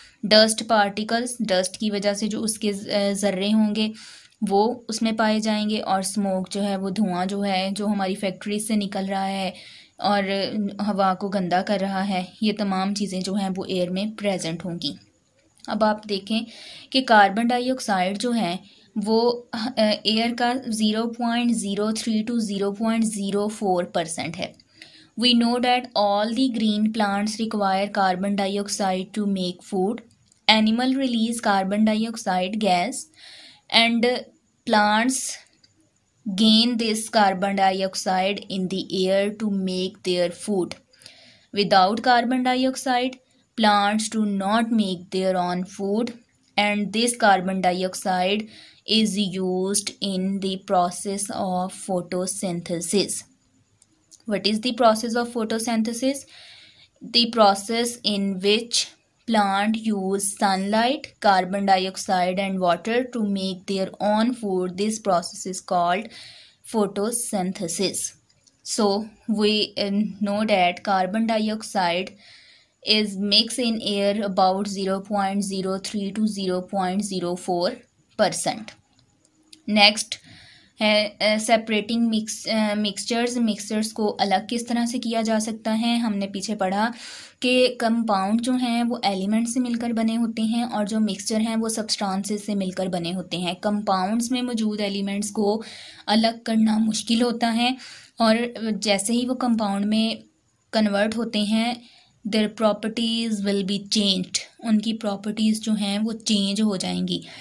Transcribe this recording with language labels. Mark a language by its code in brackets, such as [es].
[hi] Dust particles, dust की वजह से जो उसके ज़र्रे होंगे वो उसमें पाए जाएंगे, और स्मोक जो है वो धुआं जो है जो हमारी फैक्ट्रीज से निकल रहा है और हवा को गंदा कर रहा है, ये तमाम चीज़ें जो हैं वो एयर में प्रेजेंट होंगी। अब आप देखें कि कार्बन डाइऑक्साइड जो है वो एयर का 0.03 to 0.04% है। [en] We know that all the green plants require carbon dioxide to make food. Animal release carbon dioxide gas and plants gain this carbon dioxide in the air to make their food. Without carbon dioxide, plants do not make their own food and this carbon dioxide is used in the process of photosynthesis. What is the process of photosynthesis? The process in which plant use sunlight, carbon dioxide and water to make their own food. This process is called photosynthesis. So we know that carbon dioxide is mixed in air about 0.03 to 0.04%. [hi] Next है separating mixtures. Mixtures को अलग किस तरह से किया जा सकता है, हमने पीछे पढ़ा कि कंपाउंड जो हैं वो एलिमेंट्स से मिलकर बने होते हैं और जो मिक्सचर हैं वो सब्सटेंसेस से मिलकर बने होते हैं। कंपाउंड्स में मौजूद एलिमेंट्स को अलग करना मुश्किल होता है और जैसे ही वो कंपाउंड में कन्वर्ट होते हैं [en] their properties will be changed, [hi] उनकी प्रॉपर्टीज़ जो हैं वो चेंज हो जाएंगी।